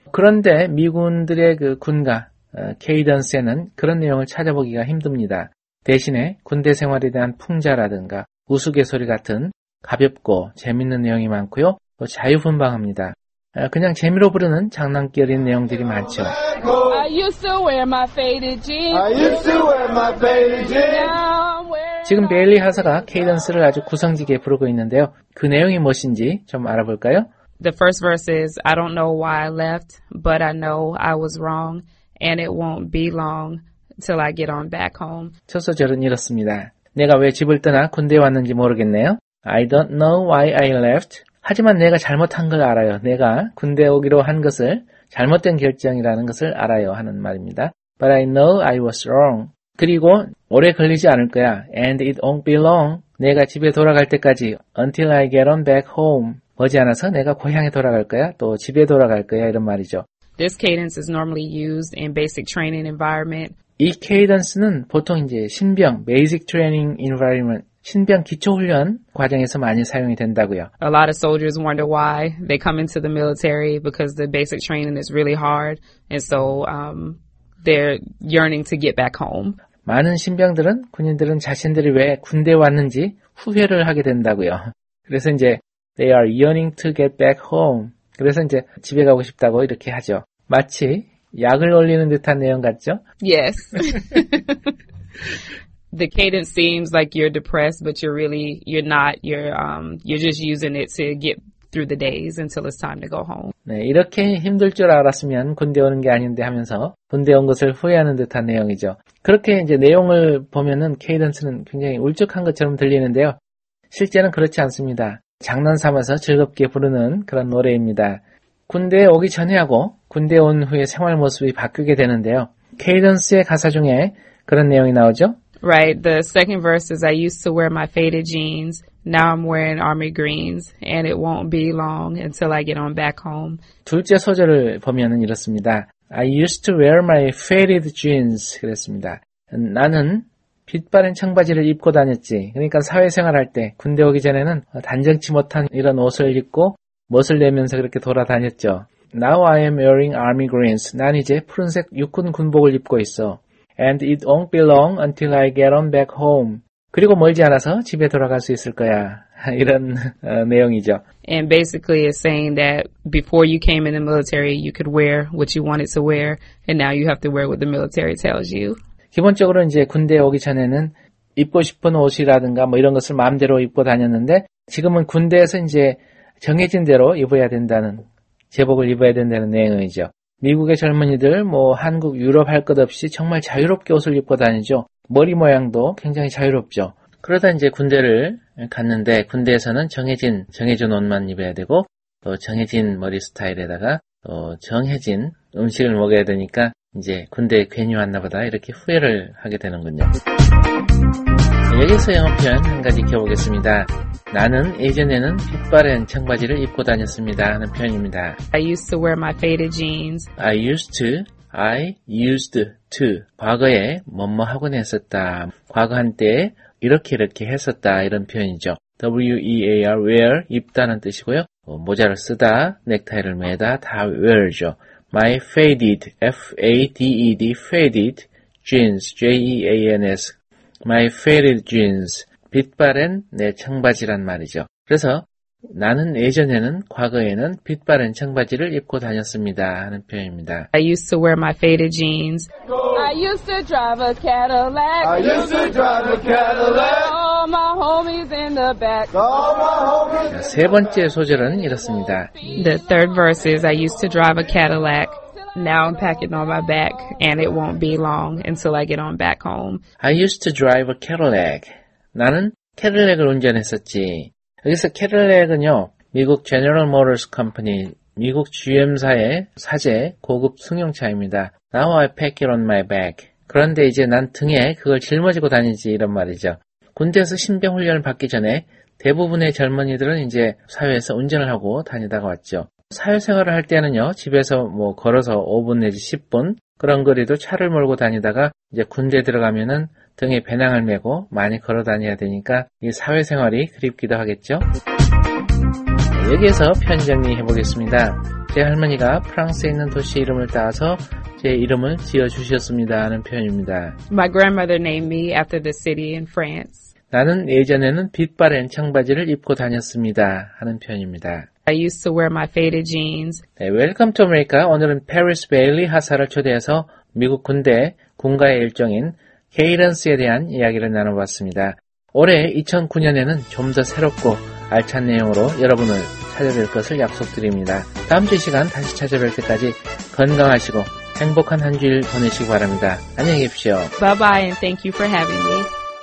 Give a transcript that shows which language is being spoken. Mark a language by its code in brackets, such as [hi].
[ko] 그런데 미군들의 그 군가, 케이던스에는 그런 내용을 찾아보기가 힘듭니다. 대신에 군대 생활에 대한 풍자라든가 우스갯소리 같은 가볍고 재밌는 내용이 많고요. 또 자유분방합니다. 그냥 재미로 부르는 장난결인 내용들이 많죠. [en] I used to wear my faded jeans. I used to wear my faded jeans. [ko] 지금 베일리 하사가 케이던스를 아주 구성지게 부르고 있는데요. 그 내용이 무엇인지 좀 알아볼까요? [en] The first verse is I don't know why I left, but I know I was wrong, and it won't be long till I get on back home. [ko] 첫 소절은 이렇습니다. 내가 왜 집을 떠나 군대에 왔는지 모르겠네요. [en] I don't know why I left. [ko] 하지만 내가 잘못한 걸 알아요. 내가 군대에 오기로 한 것을 잘못된 결정이라는 것을 알아요 하는 말입니다. [en] But I know I was wrong. [ko] 그리고 오래 걸리지 않을 거야. [en] And it won't be long. [ko] 내가 집에 돌아갈 때까지 [en] until I get on back home. [ko] 머지않아서 내가 고향에 돌아갈 거야. 또 집에 돌아갈 거야. 이런 말이죠. [en] This cadence is normally used in basic training environment. [ko] 이 cadence는 보통 이제 신병 [en] basic training environment [ko] 신병 기초 훈련 과정에서 많이 사용이 된다고요. [en] A lot of soldiers wonder why they come into the military because the basic training is really hard, and so they're yearning to get back home. [ko] 많은 신병들은 군인들은 자신들이 왜 군대 왔는지 후회를 하게 된다고요. 그래서 이제 [en] they are yearning to get back home. [ko] 그래서 이제 집에 가고 싶다고 이렇게 하죠. 마치 약을 올리는 듯한 내용 같죠? [en] Yes. The cadence seems like you're depressed, but you're really, you're not. You're just using it to get through the days until it's time to go home. [ko] 네, 이렇게 힘들 줄 알았으면 군대 오는 게 아닌데 하면서 군대 온 것을 후회하는 듯한 내용이죠. 그렇게 이제 내용을 보면은 cadence는 굉장히 울적한 것처럼 들리는데요. 실제는 그렇지 않습니다. 장난 삼아서 즐겁게 부르는 그런 노래입니다. 군대에 오기 전에 하고 군대에 온 후에 생활 모습이 바뀌게 되는데요. 케이던스의 가사 중에 그런 내용이 나오죠? [en] Right. The second verse is I used to wear my faded jeans. Now I'm wearing army greens. And it won't be long until I get on back home. [ko] 둘째 소절을 보면은 이렇습니다. [en] I used to wear my faded jeans. [ko] 그랬습니다. 나는 빛바랜 청바지를 입고 다녔지. 그러니까 사회생활할 때 군대 오기 전에는 단정치 못한 이런 옷을 입고 멋을 내면서 그렇게 돌아다녔죠. [en] Now I am wearing army greens. [ko] 난 이제 푸른색 육군 군복을 입고 있어. [en] And it won't be long until I get on back home. [ko] 그리고 멀지 않아서 집에 돌아갈 수 있을 거야. 이런 내용이죠. [en] And basically it's saying that before you came in the military, you could wear what you wanted to wear, and now you have to wear what the military tells you. [ko] 기본적으로 이제 군대에 오기 전에는 입고 싶은 옷이라든가 뭐 이런 것을 마음대로 입고 다녔는데 지금은 군대에서 이제 정해진 대로 입어야 된다는 제복을 입어야 된다는 내용이죠. 미국의 젊은이들 뭐 한국 유럽 할 것 없이 정말 자유롭게 옷을 입고 다니죠. 머리 모양도 굉장히 자유롭죠. 그러다 이제 군대를 갔는데 군대에서는 정해진 옷만 입어야 되고 또 정해진 머리 스타일에다가 또 정해진 음식을 먹어야 되니까 이제 군대에 괜히 왔나 보다 이렇게 후회를 하게 되는군요. 여기서 영어 표현 한 가지 익혀보겠습니다. 나는 예전에는 빛바랜 청바지를 입고 다녔습니다 하는 표현입니다. [en] I used to wear my faded jeans. I used to. [ko] 과거에 뭐뭐 하곤 했었다. 과거 한때 이렇게 했었다 이런 표현이죠. W-E-A-R, wear, 입다는 뜻이고요. 모자를 쓰다, 넥타이를 매다 다 wear죠. [en] My faded, F-A-D-E-D, faded jeans, J-E-A-N-S. My faded jeans, [ko] 빛바랜 내 청바지란 말이죠. 그래서 나는 예전에는 과거에는 빛바랜 청바지를 입고 다녔습니다 하는 표현입니다. [en] I used to wear my faded jeans. I used to drive a Cadillac. All my homies in the back. All my homies. [ko] 세 번째 소절은 이렇습니다. [en] The third verse is I used to drive a Cadillac. Now I'm packing on my back, and it won't be long until I get on back home. I used to drive a Cadillac. [ko] 나는 캐딜렉을 운전했었지. 여기서 캐딜렉은요, 미국 General Motors Company, 미국 GM사의 사제 고급 승용차입니다. [en] Now I pack it on my back. [ko] 그런데 이제 난 등에 그걸 짊어지고 다니지 이런 말이죠. 군대에서 신병 훈련을 받기 전에 대부분의 젊은이들은 이제 사회에서 운전을 하고 다니다가 왔죠. 사회생활을 할 때는요, 집에서 뭐 걸어서 5분 내지 10분 그런 거리도 차를 몰고 다니다가 이제 군대 들어가면은 등에 배낭을 메고 많이 걸어 다녀야 되니까 이 사회생활이 그립기도 하겠죠. 여기에서 표현 정리해 보겠습니다. 제 할머니가 프랑스에 있는 도시 이름을 따서 제 이름을 지어 주셨습니다 하는 표현입니다. [en] My grandmother named me after the city in France. [ko] 나는 예전에는 빛바랜 청바지를 입고 다녔습니다 하는 표현입니다. [en] I used to wear my faded jeans. 네, Welcome to America. [ko] 오늘은 Paris Bailey 하사를 초대해서 미국 군대 군가의 일종인 케이런스에 대한 이야기를 나눠봤습니다. 올해 2009년에는 좀 더 새롭고 알찬 내용으로 여러분을 찾아뵐 것을 약속드립니다. 다음 주 시간 다시 찾아뵐 때까지 건강하시고 행복한 한 주일 보내시기 바랍니다. 안녕히 계십시오. [en] Bye bye and thank you for having me.